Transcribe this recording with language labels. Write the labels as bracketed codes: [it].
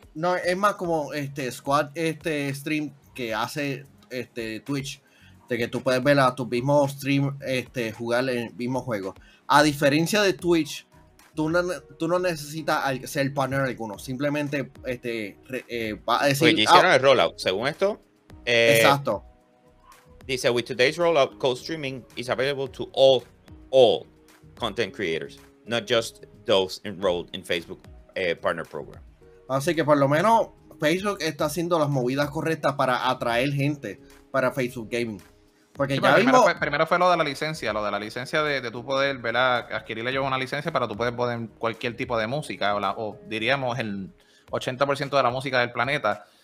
[es] No, es más como squad stream que hace Twitch, de que tú puedes ver a tu mismo stream jugar el mismo juego. A diferencia de Twitch, tú no necesitas ser partner alguno. Simplemente va a decir... Pues hicieron el rollout, según esto. Exacto. Dice, [en] with today's rollout, co-streaming is available to all content creators, not just those enrolled in Facebook partner program. [es] Así que por lo menos Facebook está haciendo las movidas correctas para atraer gente para Facebook Gaming. Porque sí, ya primero fue lo de la licencia de tu poder, ¿verdad? Adquirirle yo una licencia para tú poder poner cualquier tipo de música, o diríamos el 80% de la música del planeta.